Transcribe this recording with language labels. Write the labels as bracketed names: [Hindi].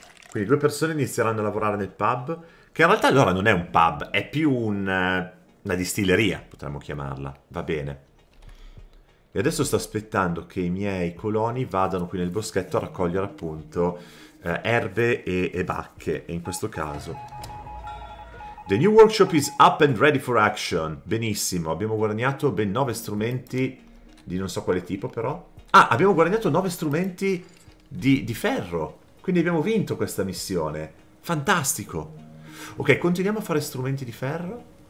[Italian] Quindi due persone inizieranno a lavorare nel pub, che in realtà allora non è un pub, è più una distilleria, potremmo chiamarla, va bene. E adesso sto aspettando che i miei coloni vadano qui nel boschetto a raccogliere appunto erbe e bacche, e in questo caso. [English] The new workshop is up and ready for action. [Italian] Benissimo, abbiamo guadagnato ben 9 strumenti di non so quale tipo però. Ah, abbiamo guadagnato 9 strumenti di ferro. Quindi abbiamo vinto questa missione. Fantastico. Ok, continuiamo a fare strumenti di ferro.